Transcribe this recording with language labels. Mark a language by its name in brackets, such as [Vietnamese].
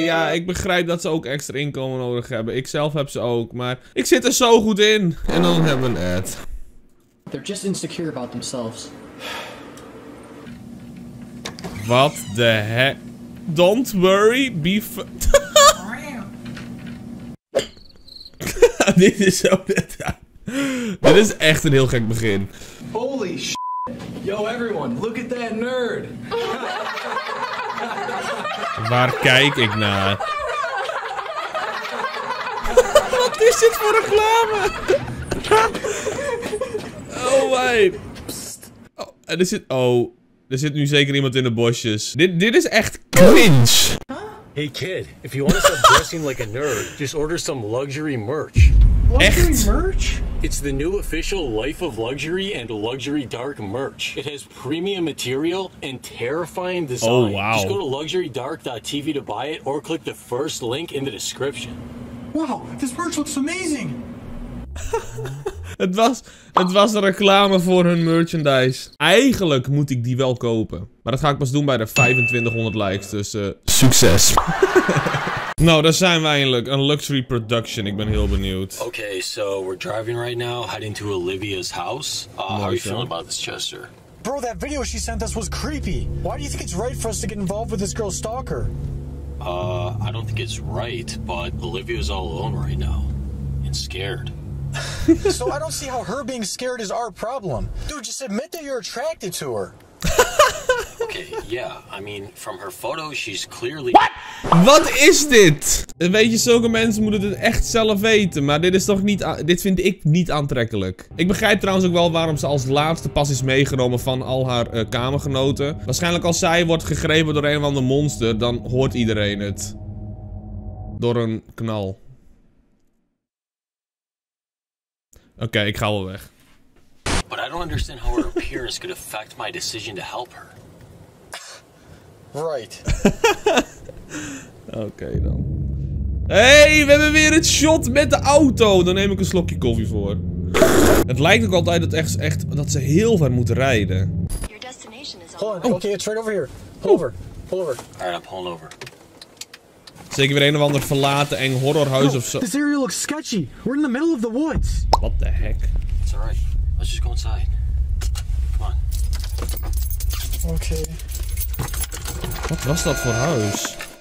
[Dutch] Ja, ik begrijp dat ze ook extra inkomen nodig hebben. Ik zelf heb ze ook, maar ik zit er zo goed in. En dan hebben we een ad. [English] They're just insecure about themselves. What the heck? Don't worry, be f- [Dutch] Dit is zo net. Dit is echt een heel gek begin. [English] Holy sh! Yo everyone, look at that nerd! [Dutch] Waar kijk ik naar? Wat is dit voor reclame? [English] Oh my! Psst. [Dutch] Oh, er zit... Oh, er zit nu zeker iemand in de bosjes. Dit is echt cringe! [English] Hey kid, if you want to stop dressing like a nerd, just order some luxury merch. [Dutch] Echt? Luxury merch? [English] It's the new official Life of Luxury and Luxury Dark merch. It has premium material and terrifying design. Oh, wow. Just go to luxurydark.tv to buy it or click the first link in the description. Wow, this merch looks amazing. [Dutch] Het was een reclame voor hun merchandise. Eigenlijk moet ik die wel kopen. Maar dat ga ik pas doen bij de 2500 likes, dus succes. Nou, daar zijn we eindelijk. Een luxury production. Ik ben heel benieuwd. [English] Okay, so we're driving right now, heading to Olivia's house. How are you feeling about this, Chester? Bro, that video she sent us was creepy. Why do you think it's right for us to get involved with this girl's stalker? I don't think it's right, but Olivia's all alone right now. And scared. So I don't see how her being scared is our problem. Dude, just admit that you're attracted to her. Okay, yeah, I mean, from her photo, she's clearly... What? What is this? [Dutch] En weet je, zulke mensen moeten het echt zelf weten. Maar dit is toch niet... Dit vind ik niet aantrekkelijk. Ik begrijp trouwens ook wel waarom ze als laatste pas is meegenomen van al haar kamergenoten. Waarschijnlijk als zij wordt gegrepen door een of ander monster, dan hoort iedereen het. Door een knal. Oké, ik ga wel weg. [English] But I don't understand how her appearance could affect my decision to help her. Right. [Dutch] Oké, dan. Hey, we hebben weer het shot met de auto. Dan neem ik een slokje koffie voor. Het lijkt ook altijd dat ze heel ver moeten rijden. [English] Your destination is on. Hold on, okay, it's right over here. Pull over. Alright, I'm pulling over. [Dutch] Zeker weer een of ander verlaten eng horrorhuis of zo. [English] This area looks sketchy. We're in the middle of the woods. What the heck? It's alright. Let's just go inside. Come on. Okay. [Dutch] Wat was dat voor huis?